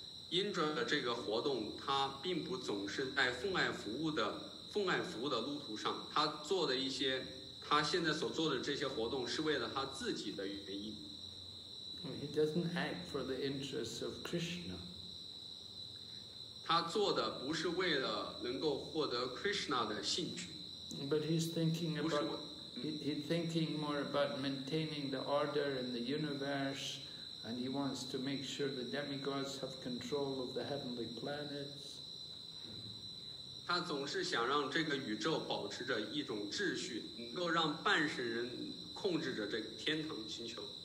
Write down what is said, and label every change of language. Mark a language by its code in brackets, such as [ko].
[zh] Indra 的这个活动，他并不总是在奉爱服务的路途上，他做的一些，他现在所做的这些活动是为了他自己的原因。 [en] He doesn't act for the interests of Krishna. [zh] 他做的不是为了能够获得 Krishna 的兴趣。 [en] But he's thinking about he's thinking more about maintaining the order in the universe. And he wants to make sure the demigods have control of the heavenly planets. [zh] 他总是想让这个宇宙保持着一种秩序，能够让半神人控制着这个天堂星球。